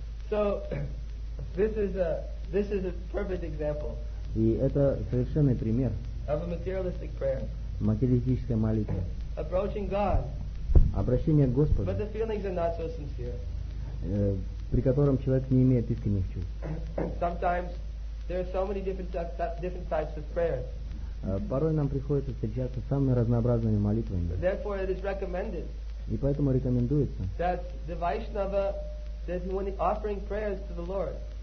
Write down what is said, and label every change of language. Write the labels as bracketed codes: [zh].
[en] So this is a perfect example. [ru] И это совершенный пример. [en] Of a materialistic prayer. [ru] Материалистическая молитва. [en] Approaching God. [ru] Обращение к Господу. [en] But the feelings are not so sincere. [ru] При котором человек не имеет искренних чувств. [en] Sometimes there are so many different types of prayers. [ru] Порой нам приходится встречаться с самыми разнообразными молитвами. [en] Therefore, it is recommended. [ru] И поэтому рекомендуется. [en] That the Vaishnava, that when offering prayers to the Lord.